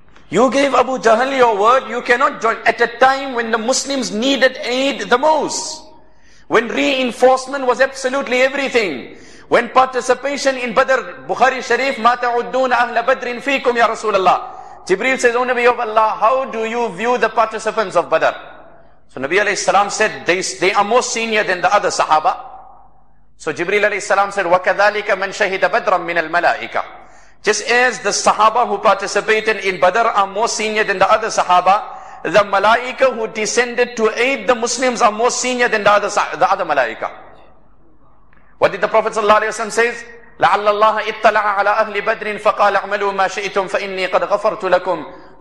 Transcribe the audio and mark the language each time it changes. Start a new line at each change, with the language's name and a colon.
English: You gave Abu Jahl your word, you cannot join. At a time when the Muslims needed aid the most, when reinforcement was absolutely everything, when participation in Badr, Bukhari Sharif,
Arabic: مَا تَعُدُّونَ أَهْلَ بَدْرٍ فِيكُمْ يَا رَسُولَ اللَّهِ.
English: Jibreel says, O Nabi of Allah, how do you view the participants of Badr? So Nabi alayhi salam said, they are more senior than the other Sahaba. So Jibreel alayhi salam said,
Arabic: وَكَذَلِكَ مَنْ شَهِدَ بَدْرًا مِنَ الْمَلَائِكَةِ.
English: Just as the Sahaba who participated in Badr are more senior than the other Sahaba, the Malaika who descended to aid the Muslims are more senior than the other Malaika. What did the Prophet sallallahu alaihi wasallam says?
Arabic: لَعَلَّ اللَّهَ اِطَّلَعَ عَلَى أَهْلِ بَدْرٍ فَقَالَ اَعْمَلُوا مَا شَئِتُمْ فَإِنِّي قَدْ غَفَرْتُ لَكُمْ.